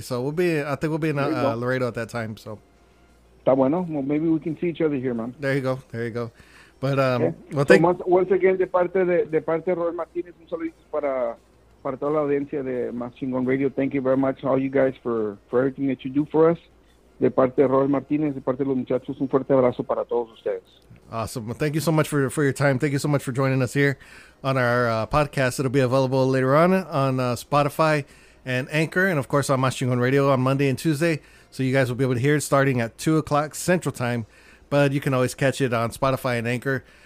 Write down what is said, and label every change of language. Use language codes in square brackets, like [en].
[en] So we'll be, I think we'll be in Laredo at that time. So. [es] Está bueno. [en] Well, maybe we can see each other here, man. There you go. There you go. But Once again, [es] de parte Roel Martinez, un saludo para toda la audiencia de Más Chingón Radio. [en] Thank you very much, all you guys, for everything that you do for us. [es] De parte de Roel Martinez, de parte de los muchachos, un fuerte abrazo para todos ustedes. [en] Awesome. Well, thank you so much for your time. Thank you so much for joining us here on our podcast. It'll be available later on Spotify and Anchor, and of course on Más Chingón Radio on Monday and Tuesday. So you guys will be able to hear it starting at 2 o'clock Central Time. But you can always catch it on Spotify and Anchor.